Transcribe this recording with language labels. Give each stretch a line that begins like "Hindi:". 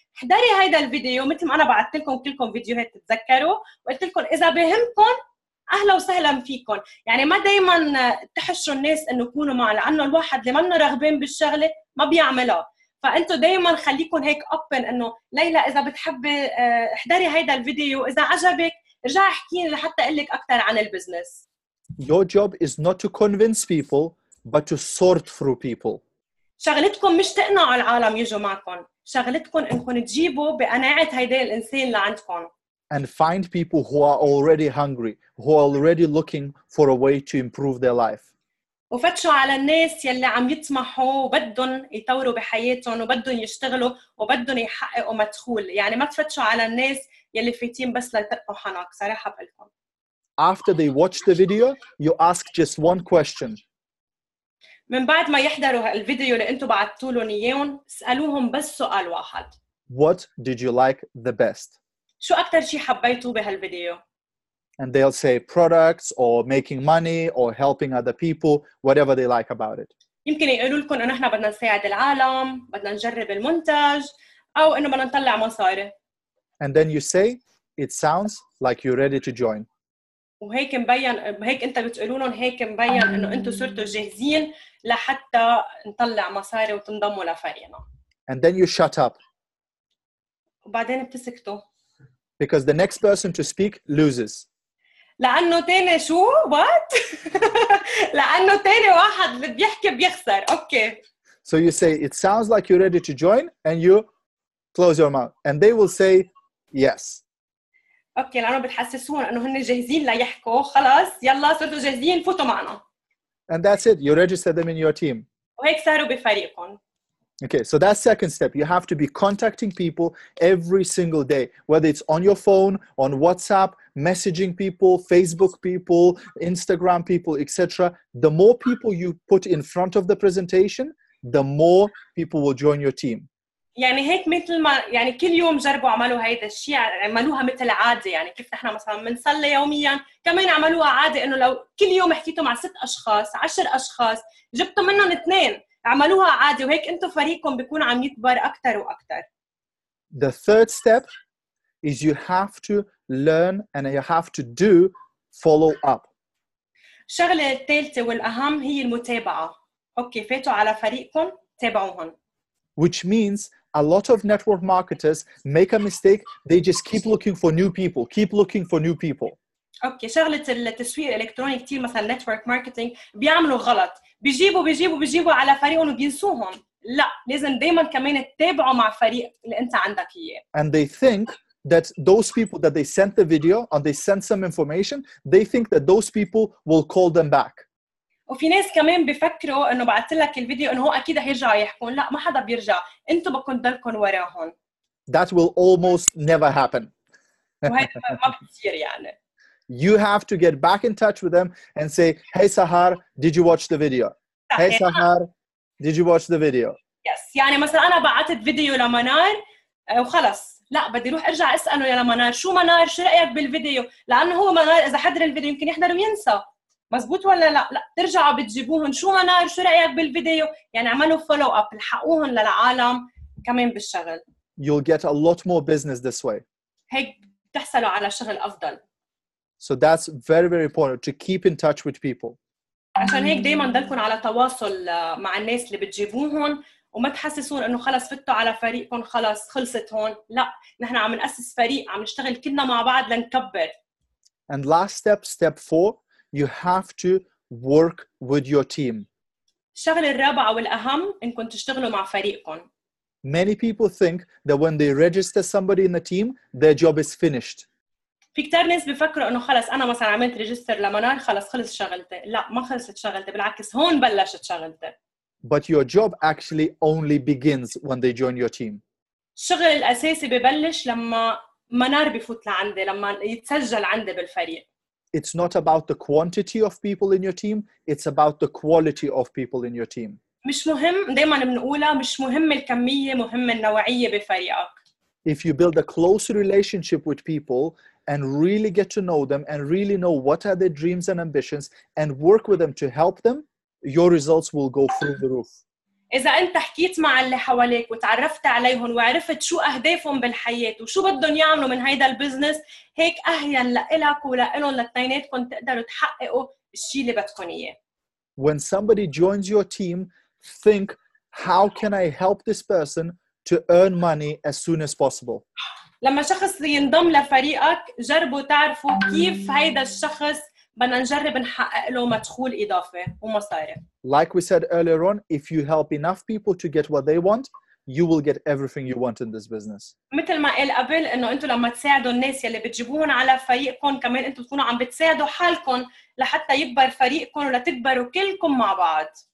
Arabic: احضري هيدا الفيديو مثل ما أنا بعثت لكم كلكم فيديوهات تتذكروا وقلت لكم إذا بهمكم أهلا وسهلا فيكم. يعني ما دايما تحشوا الناس أنه يكونوا معنا لأنه الواحد اللي منه رغبين بالشغلة ما بيعملها. فأنتوا دايما خليكم هيك أوبن أنه ليلى إذا بتحب احضري هيدا الفيديو إذا عجبك رجع حكيني لحتى أقلك أكتر عن البزنس.
English: Your job is not to convince people but to sort through people.
Arabic: شغلتكم مش تقنعوا العالم يجوا معكم، شغلتكم أنكم تجيبوا بقناعة هيدا الإنسان لعندكم.
English: And find people who are already hungry, who are already looking for a way to improve their life.
Arabic: وفتشوا على الناس يلي عم يطمحوا وبدهم يطوروا بحياتهم وبدهم يشتغلوا وبدهم يحققوا مدخول. يعني ما تفتشوا على الناس يلي فيتين بس ليطقوا حنك. صراحة بقلكم.
English: After they watch the video, you ask just one question.
Arabic: من بعد ما يحضروا الفيديو اللي انتوا بعتوا لهم اياهم اسالوهم بس سؤال واحد.
English: What did you like the best?
Arabic: شو أكتر شيء حبيتوه بهالفيديو؟
English: And they'll say products or making money or helping other people, whatever they like about it.
Arabic: يمكن يقولوا لكم إنه إحنا بدنا نساعد العالم، بدنا نجرب المنتج، أو إنه بدنا نطلع مصاري.
English: And then you say, it sounds like you're ready to join.
Arabic: وهيك مبين، هيك أنت بتقولوا لهم هيك مبين إنه أنتوا صرتوا جاهزين لحتى نطلع مصاري وتنضموا لفريقنا.
English: And then you shut up.
Arabic: وبعدين بتسكتوا.
English: Because the next person to speak loses.
Arabic: لأنه تاني شو؟
English: What?
Arabic: لأنه تاني واحد اللي بيحكي بيخسر. Okay.
English: So you say, it sounds like you're ready to join, and you close your mouth. And they will say, yes.
Arabic: Okay, لأنه بتحسسون أنه هن جاهزين ليحكوا. خلاص, يلا صرتوا جاهزين, فوتوا معنا.
English: And that's it. You register them in your team.
Arabic: وهيك صاروا بفريقهم.
English: Okay, so that's second step. You have to be contacting people every single day, whether it's on your phone, on WhatsApp, messaging people, Facebook people, Instagram people, etc. The more people you put in front of the presentation, the more people will join your team.
Arabic: يعني هيك مثل ما يعني كل يوم جربوا عملوا هيدا الشيء, عملوها مثل عادة, يعني كيف احنا مثلا بنصلي يوميا, كمان عملوها عادة انه لو كل يوم حكيتوا مع 6 اشخاص 10 اشخاص جبتوا منهم 2, عملوها عادي, وهيك انتو فريقكم بيكون عم يكبر اكتر واكتر.
English: The third step is you have to learn and you have to do follow up.
Arabic: الشغلة الثالثة والأهم هي المتابعة. اوكي, فاتوا على فريقكم تابعوهم.
English: Which means a lot of network marketers make a mistake, they just keep looking for new people, keep looking for new people.
Arabic: اوكي, شغلة التسويق الإلكتروني كتير مثلا network marketing بيعملوا غلط. بيجيبوا على فريقهم وبينسوهم. لا, لازم دايما كمان تتابعوا مع فريق اللي انت عندك اياه.
English: And they think that those people that they sent the video or they sent some information, they think that those people will call them back.
Arabic: وفي ناس كمان بفكروا انه بعت لك الفيديو انه هو اكيد هيرجع يحكون. لا, ما حدا بيرجع, انتوا بكون ضلكم وراهم.
English: That will almost never happen.
Arabic: وهذا ما بيصير يعني.
English: You have to get back in touch with them and say, hey Sahar, did you watch the video? Hey Sahar, did you watch the video? Yes,
Arabic: يعني مثلا أنا بعتت فيديو لمنار وخلص. لا, بدي روح أرجع أسأله يا لمنار, شو منار, شو رأيك بالفيديو؟ لأنه هو منار إذا حضر الفيديو يمكن يحضر وينسى. مزبوط ولا لا؟ لا, ترجعوا بتجيبوهن, شو منار, شو رأيك بالفيديو؟ يعني عملوا follow up, لحقوهن للعالم كمان بالشغل.
English: You'll get a lot more business this way.
Arabic: هيك بتحصلوا على شغل أفضل.
English: So that's very, very important to keep in touch with people.
Arabic: عشان هيك دايما ضلكم على تواصل مع الناس اللي بتجيبوهم وما تحسسون انه خلص فتوا على فريقكم, خلص خلصت هون. لا, نحن عم نأسس فريق, عم نشتغل كلنا مع بعض لنكبر.
English: And last step, step four, you have to work with your team.
Arabic: الشغلة الرابعة والأهم انكم تشتغلوا مع فريقكم.
English: Many people think that when they register somebody in the team, their job is finished.
Arabic: في كتير ناس بفكروا انه خلص انا مثلا عملت ريجستر لمنار خلص خلص شغلتي. لا, ما خلصت شغلتي, بالعكس هون بلشت شغلتي.
English: But your job actually only begins when they join your team.
Arabic: الشغل الاساسي ببلش لما منار بفوت لعندي, لما يتسجل عندي بالفريق.
English: It's not about the quantity of people in your team, it's about the quality of people in your team.
Arabic: مش مهم, دايما بنقولها, مش مهم الكميه, مهم النوعيه بفريقك.
English: If you build a close relationship with people and really get to know them and really know what are their dreams and ambitions and work with them to help them, your results will go through the roof.
Arabic: إذا أنت حكيت مع اللي حواليك وتعرفت عليهم وعرفت شو أهدافهم بالحياة وشو بدهم يعملوا من هيدا البزنس, هيك أهين لإلك ولإلهم لتنيناتكم تقدروا تحققوا الشيء اللي بدكم إياه.
English: When somebody joins your team, think, how can I help this person to earn money as soon as possible?
Arabic: لما شخص ينضم لفريقك, جربوا تعرفوا كيف هيدا الشخص بدنا نجرب نحقق له مدخول إضافي ومصاري.
English: Like we said earlier on, if you help enough people to get what they want, you will get everything you want in this business.
Arabic: مثل ما قال قبل, إنه أنتوا لما تساعدوا الناس يلي بتجيبوهن على فريقكم, كمان أنتوا تكونوا عم بتساعدوا حالكم لحتى يكبر فريقكم ولتكبروا كلكم مع بعض.